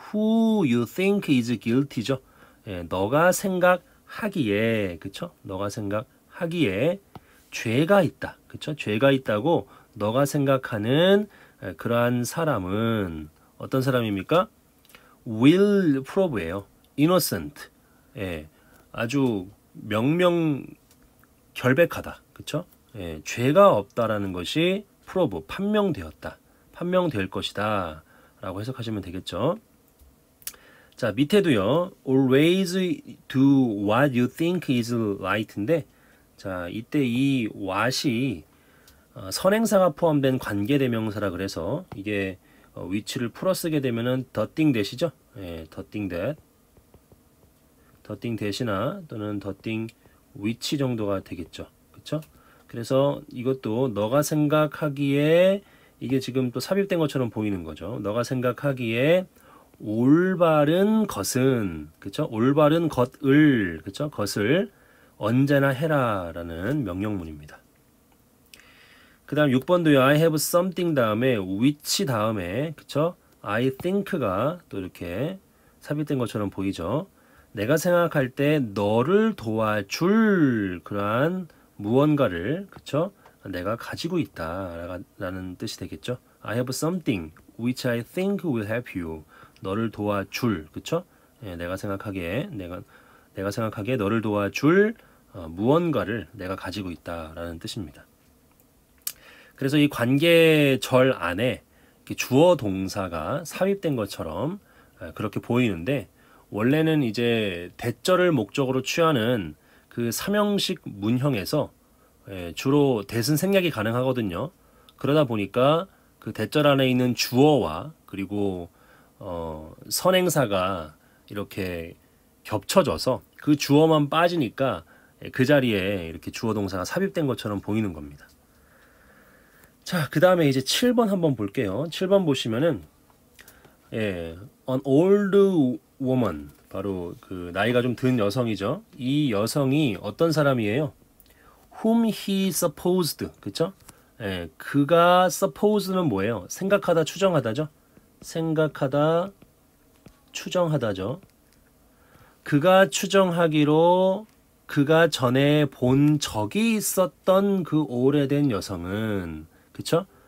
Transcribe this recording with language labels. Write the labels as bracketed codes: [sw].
[en] Who you think is guilty죠? [ko] 예, 너가 생각하기에, 그쵸? 너가 생각하기에 죄가 있다. 그쵸? 죄가 있다고 너가 생각하는 그러한 사람은 어떤 사람입니까? [en] Will Probe예요. [ko] Innocent. 예, 아주 명명 결백하다. 그렇죠? 예, 죄가 없다라는 것이 Probe, 판명되었다. 판명될 것이다. 라고 해석하시면 되겠죠. 자, 밑에도요. [en] Always do what you think is right [ko] 인데 자, 이때 이 what이 선행사가 포함된 관계대명사라 그래서 이게 위치를 풀어쓰게 되면은 the thing 되시죠? 예, the thing that. [en] The thing [ko] 되시나 또는 the thing which 정도가 되겠죠. 그렇죠? 그래서 이것도 너가 생각하기에 이게 지금 또 삽입된 것처럼 보이는 거죠. 너가 생각하기에 올바른 것은 그렇죠? 올바른 것을 그렇죠? 것을 언제나 해라라는 명령문입니다. 그 다음 6번도요. [en] I have something [ko] 다음에 which 다음에 그렇죠? I think가 또 이렇게 삽입된 것처럼 보이죠. 내가 생각할 때 너를 도와줄 그러한 무언가를 그렇죠? 내가 가지고 있다라는 뜻이 되겠죠. [en] I have something which I think will help you. [ko] 너를 도와줄 그렇죠? 예, 내가 생각하기에 너를 도와줄 무언가를 내가 가지고 있다라는 뜻입니다. 그래서 이 관계절 안에 주어 동사가 삽입된 것처럼 그렇게 보이는데 원래는 이제 대절을 목적으로 취하는 그 삼형식 문형에서 주로 대신 생략이 가능하거든요. 그러다 보니까 그 대절 안에 있는 주어와 그리고 선행사가 이렇게 겹쳐져서 그 주어만 빠지니까 그 자리에 이렇게 주어 동사가 삽입된 것처럼 보이는 겁니다. 자, 그 다음에 이제 7번 한번 볼게요. 7번 보시면은 예, [en] an old woman, [ko] 바로 그 나이가 좀 든 여성이죠. 이 여성이 어떤 사람이에요? [en] whom he supposed, 그쵸? [ko] 예, 그가 supposed는 뭐예요? 생각하다, 추정하다죠? 생각하다, 추정하다죠? 그가 추정하기로 그가 전에 본 적이 있었던 그 오래된 여성은 그쵸?